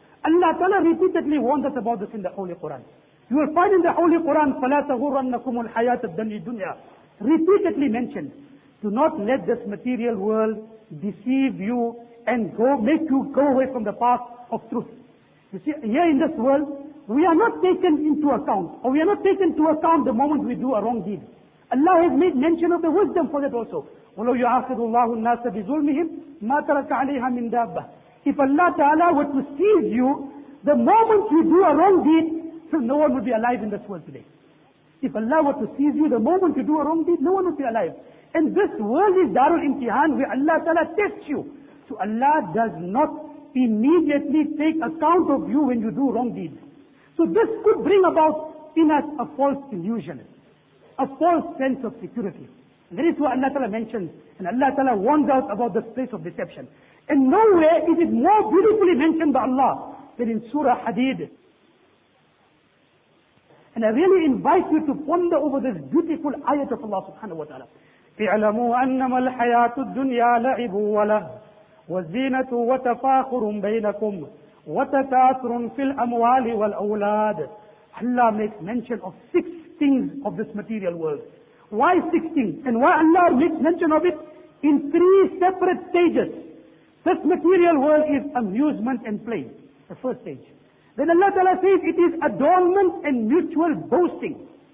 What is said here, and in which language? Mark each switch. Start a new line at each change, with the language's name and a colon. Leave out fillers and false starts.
English: Allah Ta'ala repeatedly warned us about this in the Holy Quran. You will find in the Holy Quran,
Arabic: فَلَا تَغُرَّنَّكُمُ الْحَيَاةَ الدُّنْيَا,
English: repeatedly mentioned, do not let this material world deceive you and make you go away from the path of truth. You see, here in this world, we are not taken into account, or we are not taken to account the moment we do a wrong deed. Allah has made mention of the wisdom for that also.
Arabic: ولو يعاقب الله الناس بظلمهم ما ترك عليها من دابة.
English: If Allah Ta'ala were to seize you, the moment you do a wrong deed, so no one would be alive in this world today. If Allah were to seize you, the moment you do a wrong deed, no one would be alive. And this world is Darul Imtihan, where Allah Ta'ala tests you. So Allah does not immediately take account of you when you do wrong deeds. So this could bring about in us a false illusion, a false sense of security. And that is what Allah Ta'ala mentions, and Allah Ta'ala warns us about this place of deception. And nowhere is it more beautifully mentioned by Allah than in Surah Hadid. And I really invite you to ponder over this beautiful ayat of Allah subhanahu wa ta'ala.
Arabic: اعلموا أنما الحياة الدنيا لعب ولهو وزينة وتفاخر بينكم وتكاثر في الأموال والأولاد.
English: Allah makes mention of six things of this material world. Why six things? And why Allah makes mention of it in three separate stages? This material world is amusement and play, the first stage. Then Allah Ta'ala says it is adornment and mutual boasting.